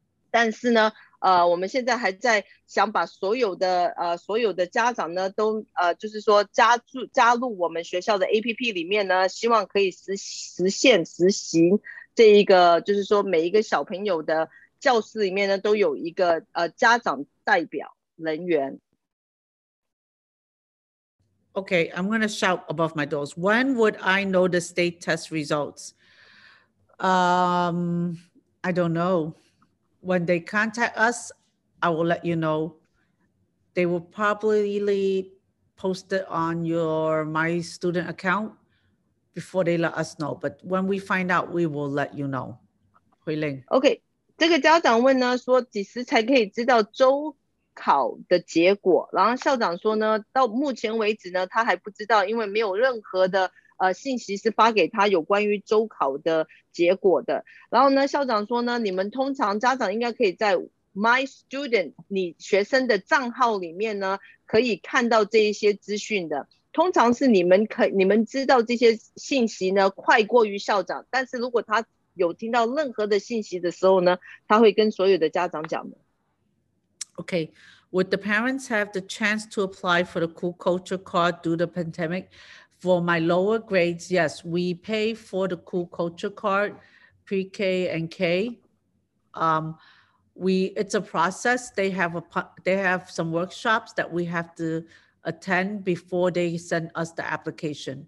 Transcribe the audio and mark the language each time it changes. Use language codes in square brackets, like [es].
[zh] 但是呢，我们现在还在想把所有的家长呢都就是说加入我们学校的 APP 里面呢，希望可以实行这一个，就是说每一个小朋友的教室里面呢都有一个家长代表人员。 [en] Okay, I'm going to shout above my doors. When would I know the state test results? I don't know. When they contact us, I will let you know. They will probably post it on your My Student account before they let us know. But when we find out, we will let you know. Hui Ling. [zh] Okay, 这个家长问呢，说几时才可以知道周考的结果？然后校长说呢，到目前为止呢，他还不知道，因为没有任何的信息是发给他有关于周考的结果的。然后呢，校长说呢，你们通常家长应该可以在 My Student 你学生的账号里面呢，可以看到这一些资讯的。通常是你们知道这些信息呢，快过于校长。但是如果他有听到任何的信息的时候呢，他会跟所有的家长讲的。 [en] Okay. Would the parents have the chance to apply for the cool culture card due to the pandemic? For my lower grades, yes, we pay for the cool culture card, pre-K and K. It's a process. They have some workshops that we have to attend before they send us the application.